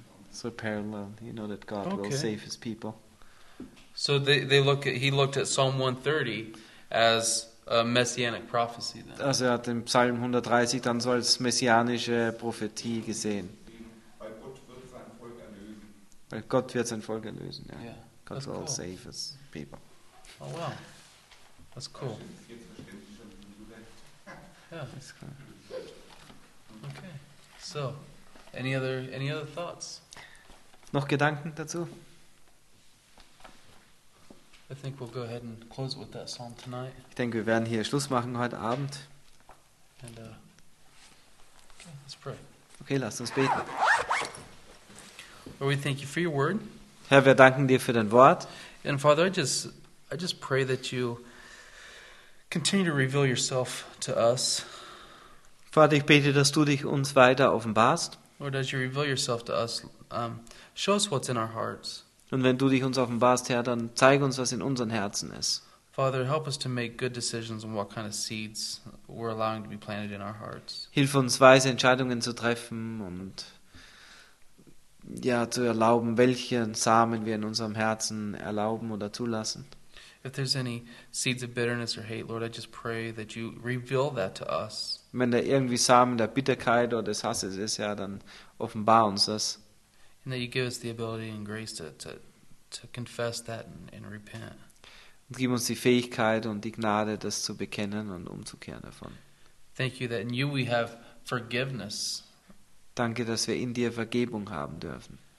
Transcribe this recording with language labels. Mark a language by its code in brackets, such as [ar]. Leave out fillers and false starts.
[en] So parallel, you know, that God will save his people. So they look at, he looked at Psalm 130 as a messianic prophecy then. [de] Also er hat den Psalm 130 dann so als messianische Prophetie gesehen. Gott wird sein Volk erlösen. Ja. [en] Yeah, God will save his people. Oh wow, that's cool. Yeah, that's cool. Okay, so any other thoughts? [de] Noch Gedanken dazu? [en] I think we'll go ahead and close with that song tonight. [de] Ich denke, wir werden hier Schluss machen heute Abend. [en] And let's pray. [de] Okay, lasst uns beten. [en] Lord, we thank you for your word. [de] Herr, wir danken dir für dein Wort. [en] And Father, I just pray that you continue to reveal yourself to us. [de] Vater, ich bete, dass du dich uns weiter offenbarst. [en] Lord, as you reveal yourself to us, show us what's in our hearts. [de] Und wenn du dich uns offenbarst, Herr, dann zeig uns, was in unseren Herzen ist. [en] Father, help us to make good decisions on what kind of seeds we're allowing to be planted in our hearts. [de] Hilf uns, weise Entscheidungen zu treffen und ja, zu erlauben, welchen Samen wir in unserem Herzen erlauben oder zulassen. [en] If there's any seeds of bitterness or hate, Lord, I just pray that you reveal that to us. [de] Wenn da irgendwie Samen der Bitterkeit oder des Hasses ist, ja, dann offenbar uns das. [en] And that you give us the ability and grace to confess that and repent. [de] Und gib uns die Fähigkeit und die Gnade, das zu bekennen und umzukehren davon. [en] Thank you that in you we have forgiveness. [de] Danke, dass wir in dir Vergebung haben dürfen.